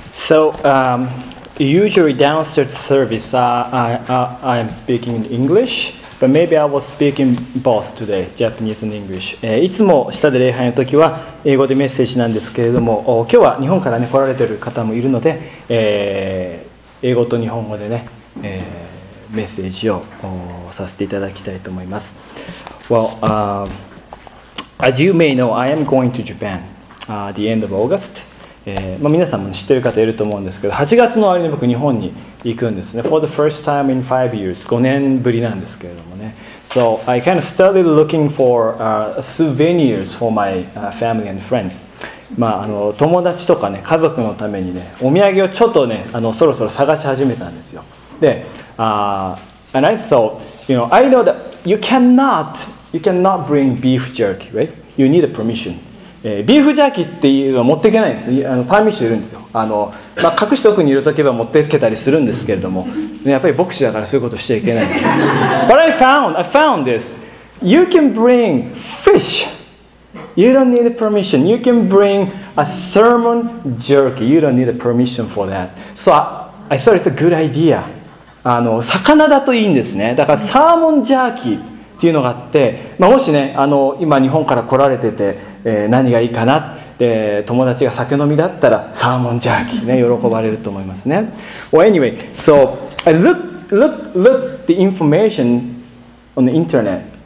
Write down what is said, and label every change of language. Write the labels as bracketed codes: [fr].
[en] Usually downstairs service, I am speaking in English, but maybe I will speak in both today, Japanese and English. [ja] いつも下で礼拝の時は英語でメッセージなんですけれども、今日は日本から、ね、来られている方もいるので、英語と日本語でね、メッセージをさせていただきたいと思います。 [en] As you may know, I am going to Japan at the end of August. [ja] 皆さんも知ってる方いると思うんですけど、8月の終わりに僕日本に行くんですね。 [en] For the first time in 5 years. [ja] 5年ぶりなんですけれどもね。 [en] So I kind of started looking for souvenirs for my family and friends. [ja] まあ、友達とかね、家族のためにね、お土産をちょっとね、そろそろ探し始めたんですよ。 [en] で、and I thought, you know, I know that you cannot bring beef jerky, right? You need a permission. [ja] ビーフジャーキーっていうのは持っていけないんですね。パーミッションいるんですよ。まあ、隠して奥に入れとけば持っていけたりするんですけれども、ね、やっぱり牧師だからそういうことしちゃいけない。 [en] But I found this. You can bring fish. You don't need permission. You can bring a salmon jerky. You don't need permission for that. So I thought it's a good idea. [ja] 魚だといいんですね。だからサーモンジャーキーっていうのがあって、まあ、もしね、今日本から来られてて、何がいいかな、友達が酒飲みだったらサーモンジャーキーね、喜ばれると思いますね。 [en] Well, anyway, so I looked the information on the internet.